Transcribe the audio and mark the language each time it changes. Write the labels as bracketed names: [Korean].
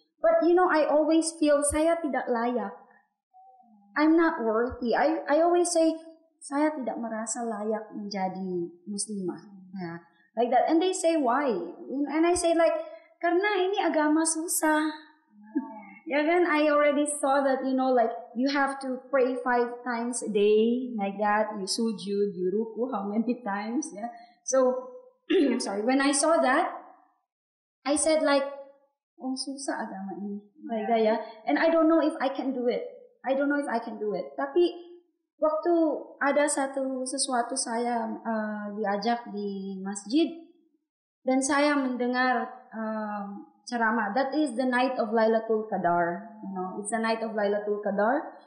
[English] But you know, I always feel [Indonesian] saya tidak layak. [English] I'm not worthy. I always say [Indonesian] saya tidak merasa layak menjadi Muslimah. [English] Yeah. Like that, and they say why? And I say like [Indonesian] karena ini agama susah. [English] Yeah, then I already saw that, you know, like you have to pray 5 times a day, like that. You sujud, you ruku, how many times? Yeah. So, I'm sorry. When I saw that, I said like, oh, [Indonesian] susah agama ini, [English] like that, yeah. And I don't know if I can do it. I don't know if I can do it. [Indonesian] Tapi waktu ada satu sesuatu saya diajak di masjid dan saya mendengar ceramah. [English] That is the night of Lailatul Qadar. You know, it's the night of Lailatul Qadar.